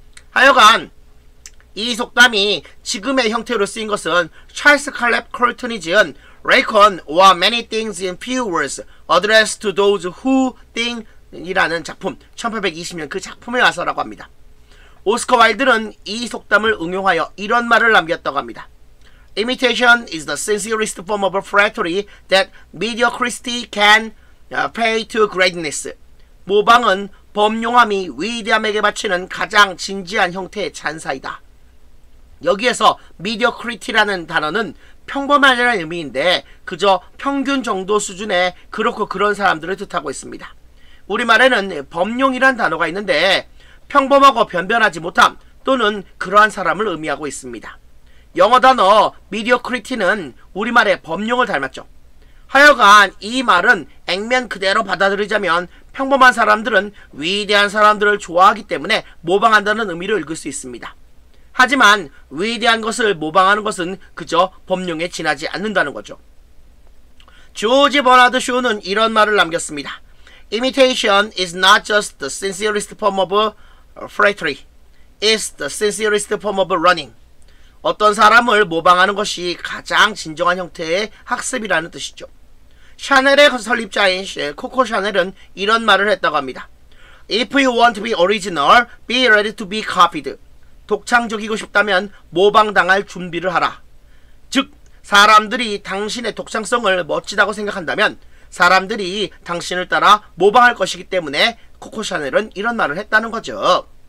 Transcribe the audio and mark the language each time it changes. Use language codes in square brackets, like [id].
[ko] 하여간 이 속담이 지금의 형태로 쓰인 것은 찰스 칼렙 콜튼이 지은 [en] Reckon or many things in few words addressed to those who think [ko] 이라는 작품, 1820년 그 작품에 와서라고 합니다. 오스카 와일드는 이 속담을 응용하여 이런 말을 남겼다고 합니다. [en] Imitation is the sincerest form of flattery that mediocrity can pay to greatness. [ko] 모방은 범용함이 위대함에게 바치는 가장 진지한 형태의 찬사이다. 여기에서 mediocrity라는 단어는 평범하다는 의미인데 그저 평균 정도 수준의 그렇고 그런 사람들을 뜻하고 있습니다. 우리말에는 범용이란 단어가 있는데 평범하고 변변하지 못함 또는 그러한 사람을 의미하고 있습니다. 영어 단어 mediocrity는 우리말의 범용을 닮았죠. 하여간 이 말은 액면 그대로 받아들이자면 평범한 사람들은 위대한 사람들을 좋아하기 때문에 모방한다는 의미로 읽을 수 있습니다. 하지만 위대한 것을 모방하는 것은 그저 범용에 지나지 않는다는 거죠. 조지 버나드 쇼는 이런 말을 남겼습니다. [en] Imitation is not just the sincerest form of flattery. It's the sincerest form of learning. [ko] 어떤 사람을 모방하는 것이 가장 진정한 형태의 학습이라는 뜻이죠. 샤넬의 설립자인 코코 샤넬은 이런 말을 했다고 합니다. [en] If you want to be original, be ready to be copied. [ko] 독창적이고 싶다면 모방당할 준비를 하라. 즉, 사람들이 당신의 독창성을 멋지다고 생각한다면 사람들이 당신을 따라 모방할 것이기 때문에 코코 샤넬은 이런 말을 했다는 거죠.